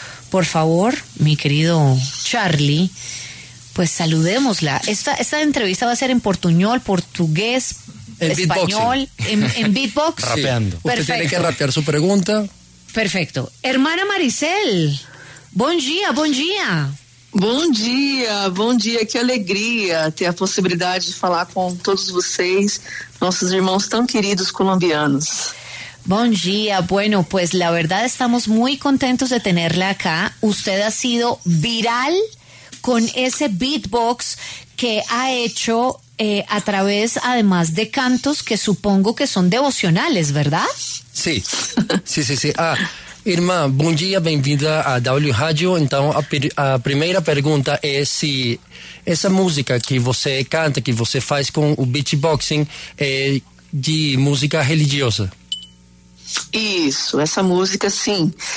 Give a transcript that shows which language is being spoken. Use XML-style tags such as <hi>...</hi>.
<es>Por favor, mi querido Charlie, pues saludémosla. Esta entrevista va a ser en portuñol, portugués, español, en beatbox. Sí. Rapeando. Perfecto. Usted tiene que rapear su pregunta. Perfecto. Hermana Maricel, buen día, buen día.</es> <pt>Bom dia, bom dia. Que alegria ter a possibilidade de falar com todos vocês, nossos irmãos tão queridos colombianos. Bom dia.</pt> <es>Bueno, pues la verdad estamos muy contentos de tenerla acá. Usted ha sido viral con ese beatbox que ha hecho a través, además de cantos que supongo que son devocionales, ¿verdad? Sí. Ah.</es> <pt>Irmã, bom dia, bem-vinda a W Rádio. Então, a primeira pergunta é se essa música que você canta, que você faz com o beatboxing, é de música religiosa. Isso, essa música, sim.</pt>